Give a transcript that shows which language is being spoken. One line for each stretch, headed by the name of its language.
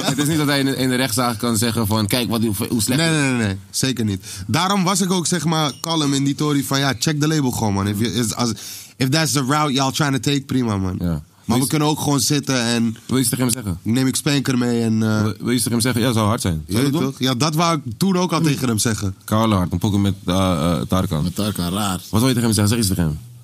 Dutch: Het is niet dat hij in de rechtszaak kan zeggen van kijk wat hoe slecht. Nee, zeker niet. Daarom was ik ook zeg maar kalm in die tory van ja, check de label gewoon man.
English: If that's the route y'all trying to take, prima man.
Dutch: Ja. Maar we kunnen ook gewoon zitten en... Wil je ze tegen hem zeggen? Neem ik Spanker mee en... Wil je ze tegen hem zeggen? Ja, zou hard zijn. Zou je dat toch? Ja, dat wou ik toen ook al tegen hem zeggen. Carlo hard, een pokken met Tarkan. Met Tarkan, raar. Wat wil je tegen hem zeggen? Zeg iets tegen hem.